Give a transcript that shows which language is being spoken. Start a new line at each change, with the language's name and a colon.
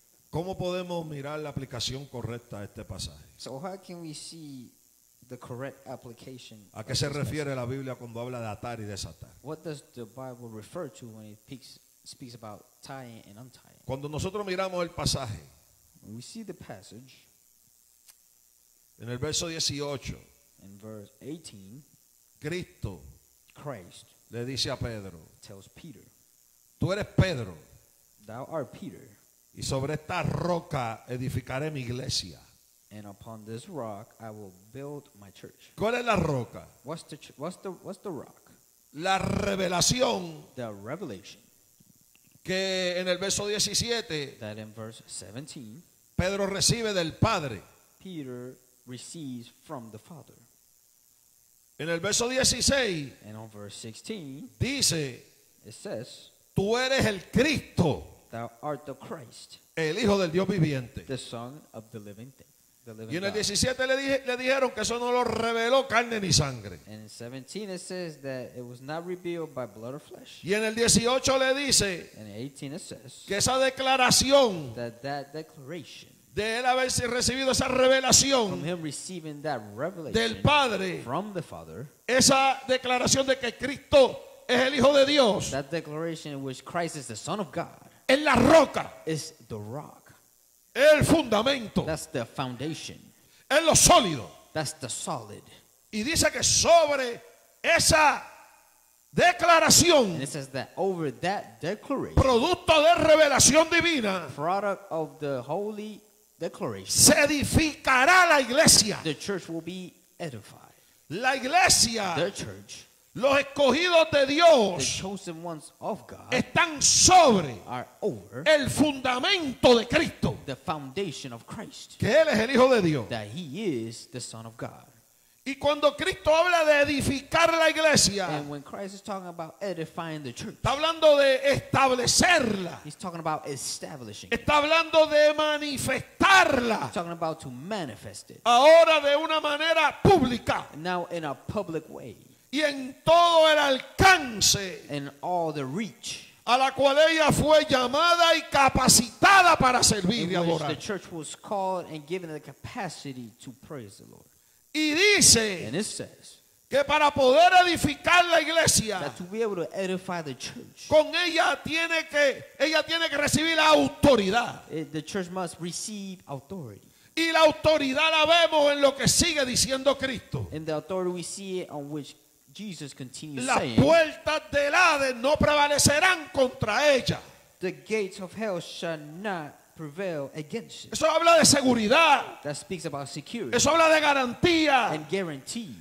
Spanish: ¿Cómo podemos mirar la aplicación correcta a este pasaje?
English: So how can we see the correct application?
Spanish: ¿A qué se refiere la Biblia cuando habla de atar y desatar?
English: What does the Bible refer to when it speaks about tying and untying?
Spanish: Cuando nosotros miramos el pasaje,
English: when we see the passage,
Spanish: en el verso 18,
English: in verse 18,
Spanish: Cristo,
English: Christ,
Spanish: le dice a Pedro,
English: tells Peter,
Spanish: tú eres Pedro,
English: thou art Peter,
Spanish: y sobre esta roca edificaré mi iglesia.
English: And upon this rock I will build my church.
Spanish: ¿Cuál es la roca?
English: What's the rock?
Spanish: La revelación.
English: The revelation.
Spanish: Que en el verso 17,
English: that in verse 17,
Spanish: Pedro recibe del Padre.
English: Peter receives from the Father.
Spanish: En el verso 16,
English: and on verse 16,
Spanish: dice,
English: it says,
Spanish: tú eres el Cristo,
English: thou art the Christ,
Spanish: el Hijo del Dios viviente,
English: the Son of the living thing.
Spanish: Y en el 17 le dijeron que eso no lo reveló carne ni sangre.
English: And in 17 it says that it was not revealed by blood or flesh.
Spanish: Y en el 18 le dice,
English: and in 18 it says,
Spanish: que esa declaración,
English: that declaration,
Spanish: de él haber recibido esa revelación,
English: from him receiving that revelation,
Spanish: del Padre,
English: from the Father,
Spanish: esa declaración de que Cristo es el Hijo de Dios,
English: that declaration in which Christ is the Son of God,
Spanish: es la roca,
English: is the rock.
Spanish: El fundamento.
English: That's the foundation.
Spanish: Es lo sólido.
English: That's the solid.
Spanish: Y dice que sobre esa declaración.
English: And it says that over that declaration.
Spanish: Producto de revelación divina.
English: Product of the holy declaration.
Spanish: Se edificará la iglesia.
English: The church will be edified.
Spanish: La iglesia.
English: The church.
Spanish: Los escogidos de Dios,
English: the chosen ones of God,
Spanish: están sobre,
English: are over,
Spanish: el fundamento de Cristo,
English: the foundation of Christ,
Spanish: que Él es el Hijo de Dios,
English: that He is the Son of God.
Spanish: Y cuando Cristo habla de edificar la iglesia,
English: and when Christ is talking about edifying the church,
Spanish: está hablando de establecerla,
English: He's talking about establishing,
Spanish: está hablando de manifestarla,
English: He's talking about to manifest it,
Spanish: ahora de una manera pública,
English: now in a public way,
Spanish: y en todo el alcance,
English: in all the reach,
Spanish: a la cual ella fue llamada y capacitada para servir y adorar.
English: The church was called and given the capacity to praise the Lord.
Spanish: Y dice,
English: and it says,
Spanish: que para poder edificar la iglesia,
English: that to be able to edify the church,
Spanish: con ella tiene que recibir la autoridad.
English: The church must receive authority.
Spanish: Y la autoridad la vemos en lo que sigue diciendo Cristo.
English: And the authority we see it on which Jesus continues
Spanish: las
English: saying,
Spanish: puertas del Hades no prevalecerán contra ella.
English: The gates of hell shall not prevail against it.
Spanish: Eso habla de seguridad.
English: That speaks about security.
Spanish: Eso habla de garantía.
English: And guarantee.